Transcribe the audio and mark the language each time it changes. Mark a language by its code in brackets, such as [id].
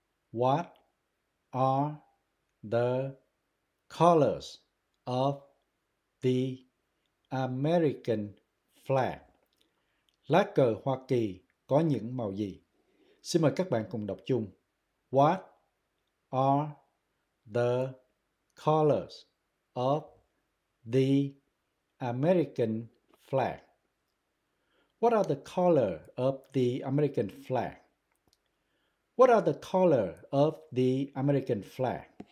[en] What are the colors of the American flag? [vi] Lá cờ Hoa Kỳ có những màu gì? Xin mời các bạn cùng đọc chung. [en] What are the colors of the American flag? What are the color of the American flag? What are the color of the American flag?